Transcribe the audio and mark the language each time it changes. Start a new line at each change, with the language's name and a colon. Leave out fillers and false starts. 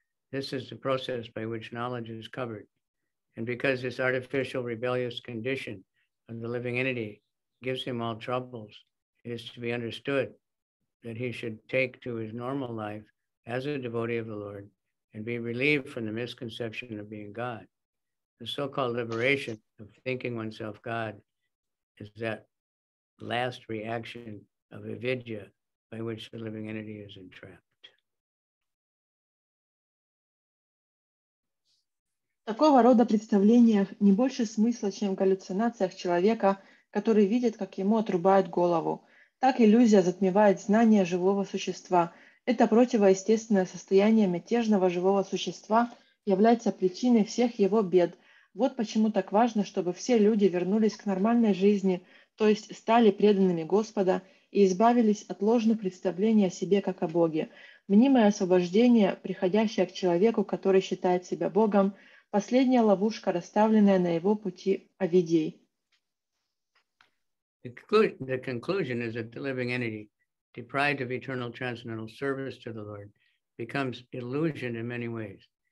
English: This is the process by which knowledge is covered. And because this artificial rebellious condition of the living entity gives him all troubles, it is to be understood that he should take to his normal life as a devotee of the Lord, and be relieved from the misconception of being God. The so-called liberation of thinking oneself God is that last reaction of avidya by which the living entity is entrapped.
Russian: Такого рода представлениях не больше смысла, чем в галлюцинациях человека, который видит, как ему отрубают голову. Так иллюзия затмевает знание живого существа. Это противоестественное состояние мятежного живого существа является причиной всех его бед. Вот почему так важно, чтобы все люди вернулись к нормальной жизни, то есть стали преданными Господа и избавились от ложных представлений о себе как о Боге. Мнимое освобождение, приходящее к человеку, который считает себя Богом, последняя ловушка, расставленная на его пути авидьей.
English: The conclusion is that the living entity, deprived of eternal transcendental service to the Lord, becomes illusioned in many ways.